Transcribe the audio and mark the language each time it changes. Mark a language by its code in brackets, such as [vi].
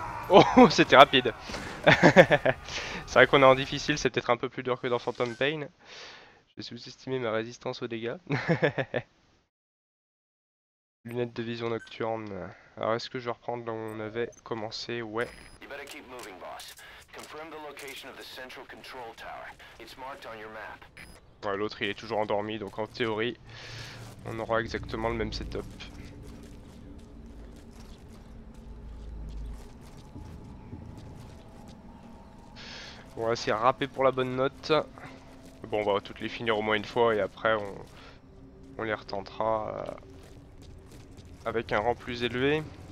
[fr] Oh, c'était rapide. C'est vrai qu'on est en difficile, c'est peut-être un peu plus dur que dans Phantom Pain. J'ai sous-estimé ma résistance aux dégâts. Lunettes de vision nocturne. Alors est-ce que je vais reprendre là où on avait commencé? Ouais. [en] You better keep moving, boss. Confirm the location of the central control tower. It's marked on your map. [fr] Ouais, l'autre il est toujours endormi, donc en théorie, on aura exactement le même setup. On va essayer de rapper pour la bonne note. Bon, on va toutes les finir au moins une fois et après on les retentera avec un rang plus élevé.